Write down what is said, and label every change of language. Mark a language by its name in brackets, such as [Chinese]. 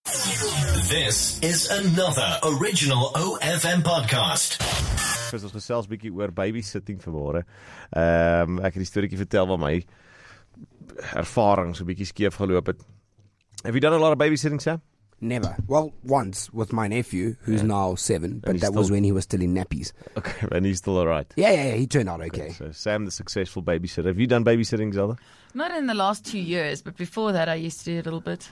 [English] This is another original OFM podcast. [Afrikaans] Ons het gesels 'n bietjie oor babysitting vanmôre. Ek het die storieetjie vertel van my ervaring so 'n bietjie skeef geloop het. [English] Have you done a lot of babysitting, Sam? Never. Well, once with my nephew, who's now 7, but that was when he was still in nappies. Okay, and he's still all right. Yeah, he turned out okay. So Sam, the successful babysitter. Have you done babysitting, Zelda? Not in the last 2 years, but before that I used to do a little bit.